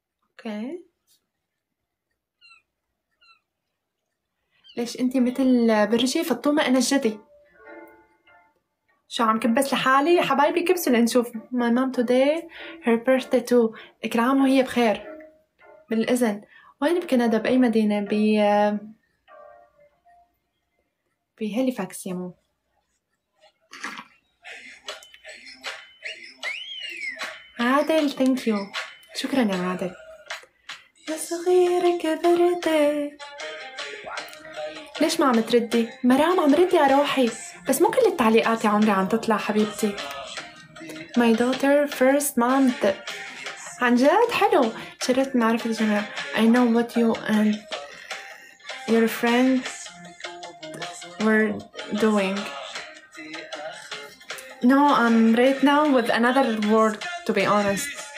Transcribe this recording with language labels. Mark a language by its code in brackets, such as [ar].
[ar] اوكي ليش انتي مثل برجي فطومة؟ انا الجدي. شو عم كبس لحالي حبايبي؟ كبسوا لنشوف. [en] My mom today her birthday too. [ar] اكرام وهي بخير بالإذن. وين بكندا؟ بأي مدينة؟ بهاليفاكس يا مو. عادل [en] thank you. [ar] شكرا يا عادل. يا صغيرة كبرتي. ليش ما عم تردي؟ مرام عم ردي يا روحي، بس مو كل التعليقات يا عمري عم تطلع حبيبتي. [en] My daughter first month. [ar] عن جد حلو، شرفت معرفة الجميع. [en] I know what you and your friends were doing. No, I'm right now with another word to be honest.